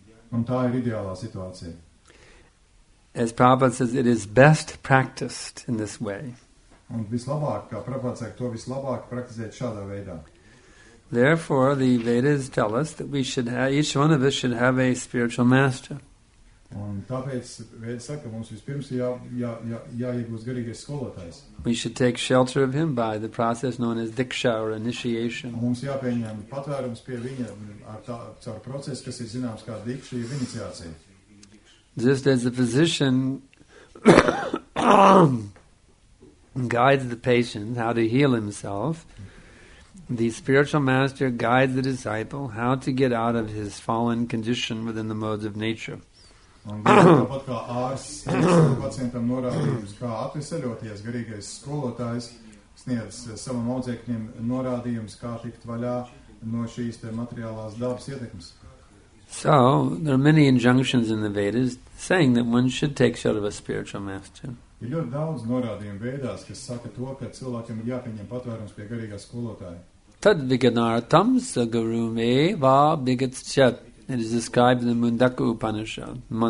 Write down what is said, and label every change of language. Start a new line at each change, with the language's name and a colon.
Latvian: Un tā ir ideālā situācija.
English: As Prabhupada says, it is best practiced in this way.
Latvian: Un vislabāk, kā Prabhupāds saka, to vislabāk praktizēt šādā veidā.
English: Therefore, the Vedas tell us that each one of us should have a spiritual master.
Latvian: Un tāpēc Vēda saka, mums vispirms jāiegūst garīgais skolotājs.
English: We should take shelter of him by the process known as diksha or initiation.
Latvian: Mums jāpieņem patvērums pie viņa ar tā, caur procesu, kas ir zināms kā diksha ir iniciācija.
English: Just as a physician guides the patient how to heal himself, the spiritual master guides the disciple how to get out of his fallen condition within the modes of nature.
Latvian: Tāpat kā ārsts pacientam norādījums, kā atveseļoties, garīgais skolotājs sniedz savam audzēkņiem norādījums, kā tikt vaļā no šīs te materiālās dabas ietekmes.
English: So, there are many injunctions in the Vedas saying that one should take shelter of a spiritual master.
Latvian: Ir ļoti daudz norādījumu Vēdās, kas saka to, ka cilvēkiem ir jāpieņem patvērums pie garīgā skolotāja.
Sanskrit: Tad viganārtam sa gurumē vā bigats čet.
English: It is described in the Mundaka Upanishad.